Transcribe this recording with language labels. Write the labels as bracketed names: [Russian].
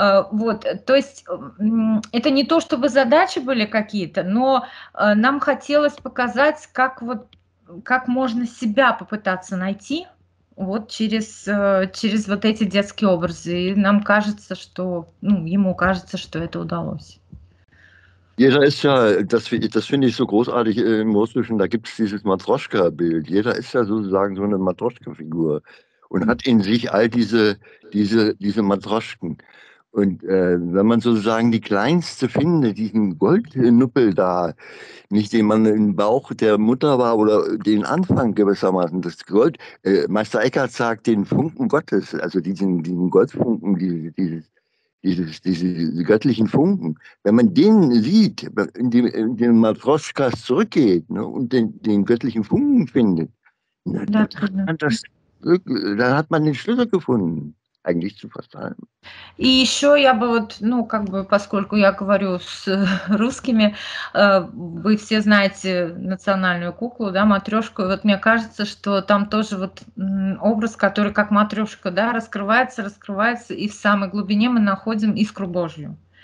[Russian] Вот, то есть это не то, чтобы задачи были какие-то, но нам хотелось показать, как вот, как можно себя попытаться найти вот через вот эти детские образы. И нам кажется, что, ну, ему кажется, что это удалось. [German] Jeder ist ja, das finde ich so großartig im Russischen, da gibt es dieses Matroschka-Bild. Jeder ist ja sozusagen so eine Matroschka-Figur und hat in sich all diese Matroschken. Und wenn man sozusagen die kleinste findet, diesen Goldnuppel da, nicht den man im Bauch der Mutter war oder den Anfang gewissermaßen, das Gold, Meister Eckhart sagt den Funken Gottes, also diesen Goldfunken, diese göttlichen Funken, wenn man den sieht, in den Matroschkas zurückgeht, ne, und den göttlichen Funken findet, dann hat man den Schlüssel gefunden, eigentlich zu fast allem. [Russian] И еще я бы вот, ну, как бы, поскольку я говорю с русскими, вы все знаете национальную куклу, да, матрешку, и вот мне кажется, что там тоже вот образ, который как матрешка, да, раскрывается, и в самой глубине мы находим искру Божью.